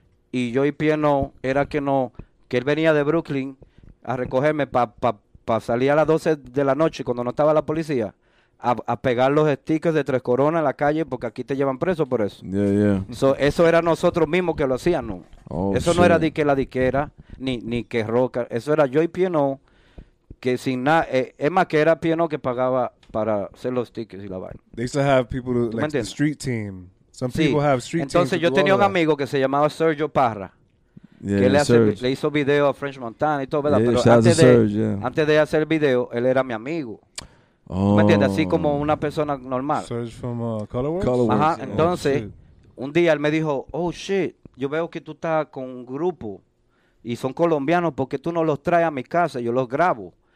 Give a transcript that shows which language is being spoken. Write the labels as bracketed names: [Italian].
[Spanish] Y yo y Piano, era que no, que él venía de Brooklyn a recogerme para pa salir a las 12 de la noche cuando no estaba la policía, a pegar los stickers de Tres Coronas en la calle porque aquí te llevan preso por eso. [English] Yeah, yeah. [Spanish] So, eso era nosotros mismos que lo hacíamos. Oh, eso [English] shit. [Spanish] No era de que la diquera, ni que Roca. Eso era yo y Piano, que sin nada, es más que era Piano que pagaba para hacer los stickers y la vaina. [English] They used to have people to, like, the street team. Some people [Spanish] sí. [English] have street [Spanish] entonces, [English] teams. [Spanish] Entonces yo tenía un amigo que se llamaba Sergio Parra. [English] Yeah, [Spanish] que [English] yeah, [Spanish] le, hace, le hizo video a French Montana y todo, ¿verdad? [English] Yeah, [Spanish] pero antes de hacer el video, él era mi amigo. Oh. ¿Me entiendes? Así como una persona normal. [English] Serge from Colorworks. [Spanish] Ajá. Yeah. Entonces, oh, un día él me dijo, [English] oh shit, [Spanish] yo veo que tú estás con un grupo y son colombianos, ¿por qué tú no los traes a mi casa? Yo los grabo.